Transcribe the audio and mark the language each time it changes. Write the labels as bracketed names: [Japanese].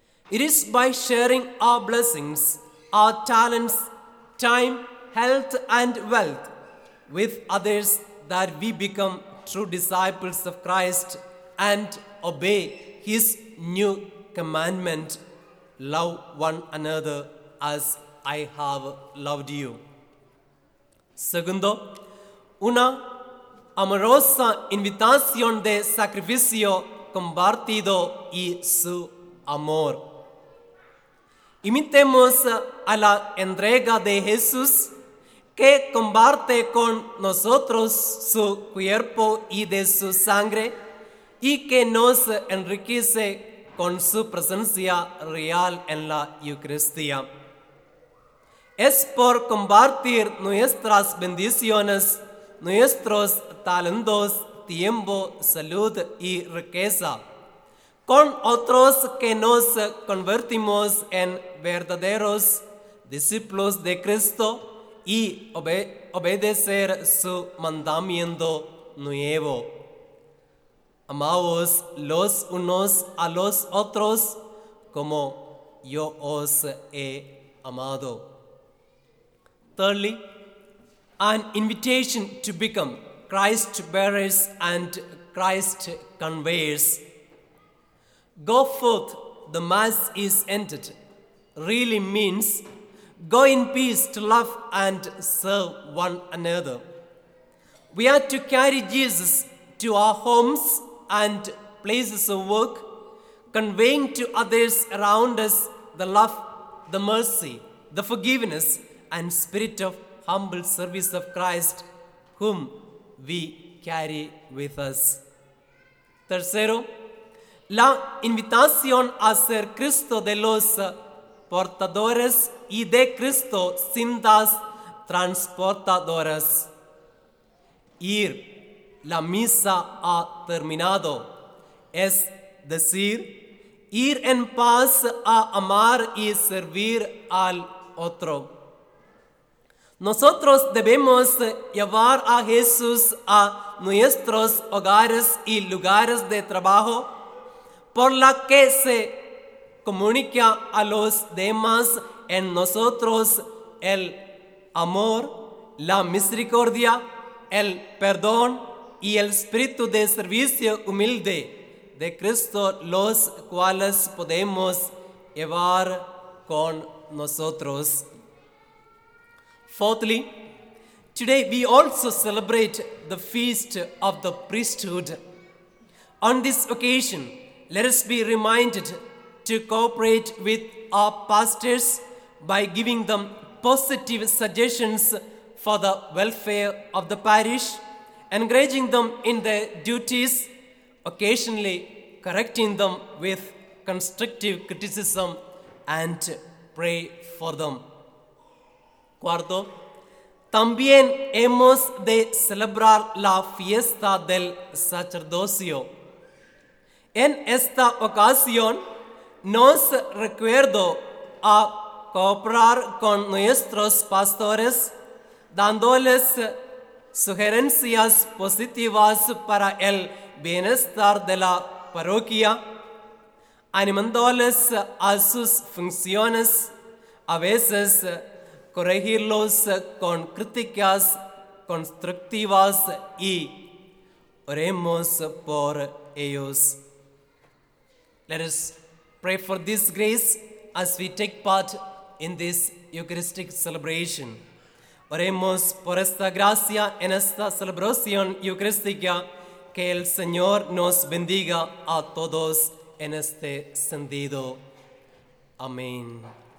[English] It is by sharing our blessings, our talents, time, health, and wealth with others that we become true disciples of Christ and obey his new commandment, love one another as I have loved you. [Spanish] Segundo, una amorosa invitación de sacrificio compartido y su amor. Imitemos a la entrega de Jesús, que comparte con nosotros su cuerpo y de su sangre, y que nos enriquece con su presencia real en la Eucaristía. Es por compartir nuestras bendiciones, nuestros talentos, tiempo, salud y riqueza con otros que nos convertimos en verdaderos discípulos de Cristo y obedecer su mandamiento nuevo. Amaos los unos a los otros como yo os he amado. [English] Thirdly, an invitation to become Christ bearers and Christ conveyors. Go forth, the Mass is ended, really means go in peace to love and serve one another. We are to carry Jesus to our homes and places of work, conveying to others around us the love, the mercy, the forgiveness, and spirit of humble service of Christ, whom we carry with us. [Spanish] Tercero, la invitación a ser Cristo de los portadores y de Cristo cintas transportadoras. Ir, la misa ha terminado. Es decir, ir en paz a amar y servir al otro. Nosotros debemos llevar a Jesús a nuestros hogares y lugares de trabajo, por la que se comunica a los demás en nosotros el amor, la misericordia, el perdón y el espíritu de servicio humilde de Cristo, los cuales podemos llevar con nosotros. [English] Fourthly, today we also celebrate the feast of the priesthood. On this occasion, let us be reminded to cooperate with our pastors by giving them positive suggestions for the welfare of the parish, encouraging them in their duties, occasionally correcting them with constructive criticism, and pray for them. [Spanish] Cuarto, también hemos de celebrar la fiesta del sacerdocio. En esta ocasión, nos recuerdo a cooperar con nuestros pastores, dándoles sugerencias positivas para el bienestar de la parroquia, animándoles a sus funciones, a veces corregirlos con críticas constructivas y oremos por ellos. [English] Let us pray for this grace as we take part in this Eucharistic celebration. [Spanish] Oremos por esta gracia en esta celebración eucarística, que el Señor nos bendiga a todos en este sentido. Amén.